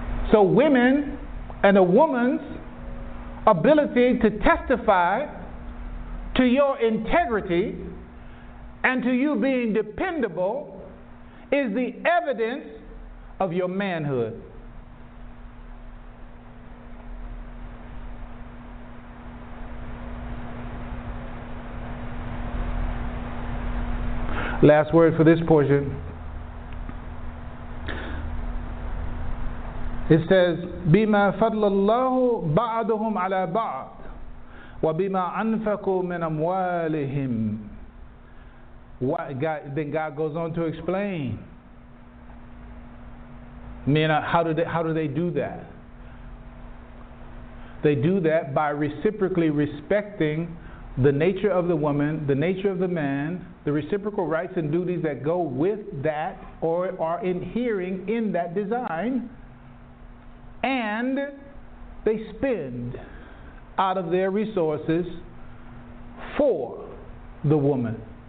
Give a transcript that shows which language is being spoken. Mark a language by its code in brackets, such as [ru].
[en] So women and a woman's ability to testify to your integrity and to you being dependable is the evidence of your manhood. Last word for this portion. It says, [ar] بِمَا فَضْلَ اللَّهُ بَعْضُهُمْ عَلَى بَعْضٍ وَبِمَا أَنْفَقُوا مِنْ أَمْوَالِهِمْ. [en] Then God goes on to explain. How do they do that? They do that by reciprocally respecting the nature of the woman, the nature of the man, the reciprocal rights and duties that go with that or are inhering in that design, and they spend out of their resources for the woman.